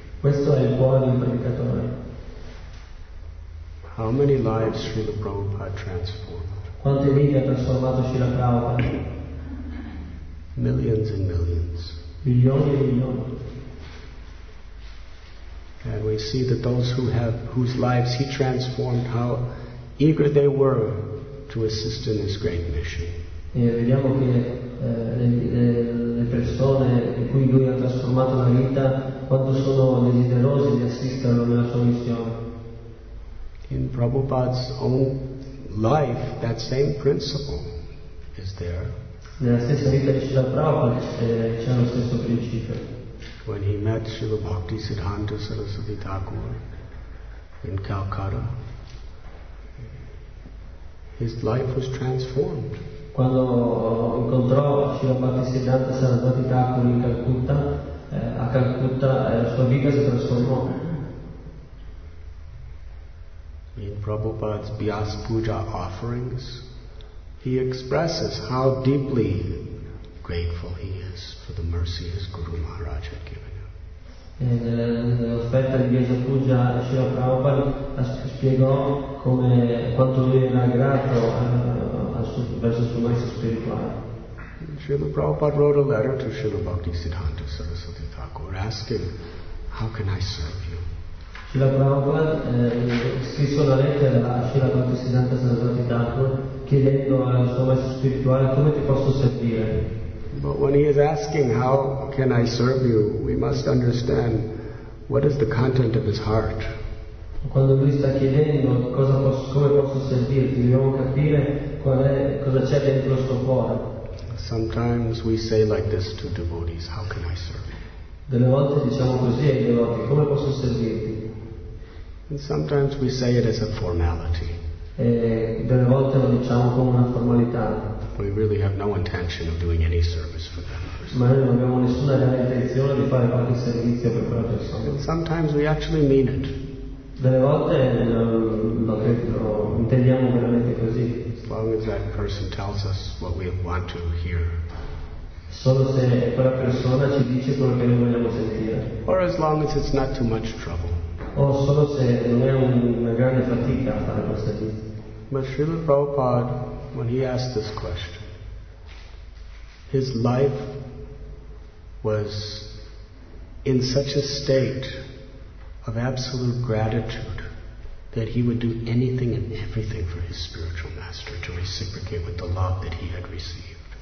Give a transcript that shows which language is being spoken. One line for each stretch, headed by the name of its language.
Italian: Questo è il cuore di un predicatore.
English: How many lives Srila Prabhupada transformed?
Italian: Quante vite ha trasformato Srila Prabhupada?
English: Millions and millions.
Italian: Milioni e milioni.
English: And we see that those who have whose lives he transformed, how eager they were to assist in his great mission.
Italian: E vediamo che le persone in cui lui ha trasformato la vita quanto sono desiderosi di assistere nella sua missione.
English: In Prabhupada's own life that same principle is there.
Italian: Nella stessa vita di Srila Prabhupada c'è lo stesso principio.
English: When he met Srila Bhaktisiddhanta Saraswati Thakur in Calcutta, his life was transformed.
Italian: Quando incontrò Srila Bhaktisiddhanta Saraswati Thakur in Calcutta, a Calcutta la sua vita si trasformò.
English: In Prabhupada's Vyas Puja offerings, he expresses how deeply grateful he is for the mercy his Guru Maharaj had given him.
Italian: Nell'offerta di Vyasa Puja, Srila Prabhupada spiegò come quanto lui era grato verso il suo maestro spirituale.
English: Srila Prabhupada wrote a letter to Srila Bhaktisiddhanta Saraswati Thakur asking, "How can I serve you?"
Italian: Srila Prabhupada scrisse una lettera a Srila Bhaktisiddhanta Saraswati Thakur chiedendo al suo maestro spirituale, "Come ti posso servire?"
English: But when he is asking, "How can I serve you?" we must understand what is the content of his heart.
Italian: Quando lui sta chiedendo cosa posso, come posso servirti, dobbiamo capire qual è, cosa c'è dentro il suo cuore.
English: Sometimes we say like this to devotees, "How can I serve you?"
Italian: Delle volte diciamo così ai devoti, "Come posso servirti?"
English: And sometimes we say it as a formality.
Italian: E delle volte lo diciamo come una formalità.
English: We really have no intention of doing any service for them.
Italian: Ma noi non abbiamo nessuna reale intenzione di fare qualche servizio per quella persona.
English: And sometimes we actually mean it.
Italian: Delle volte lo intendiamo veramente così.
English: As long as that person tells us what we want to hear.
Italian: Solo se quella persona ci dice quello che noi vogliamo sentire.
English: Or as long as it's not too much trouble.
Italian: O solo se non è una grande fatica fare questa cosa.
English: But Srila Prabhupada, when he asked this question, his life was in such a state of absolute gratitude that he would do anything and everything for his spiritual master to reciprocate with the love that he had received.